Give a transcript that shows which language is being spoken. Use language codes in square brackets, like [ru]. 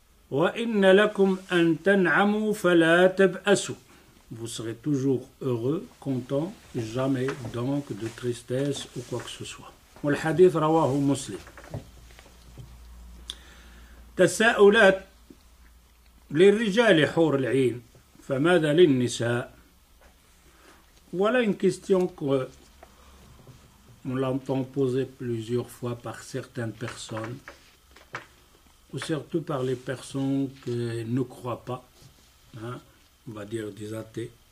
[ar] وَإِنَّ لَكُمْ أَن تَنْعَمُوا فَلَا تَبْأَسُوا. [fr] Vous serez toujours heureux, content, jamais donc de tristesse ou quoi que ce soit. [ar] والحديث رواه مسلم. تساؤلات للرجال حور العين فماذا للنساء. [fr] Voilà une question qu'on l'entend poser plusieurs fois par certaines personnes. Ou surtout par les personnes qui ne croient pas, hein, on va dire des athées.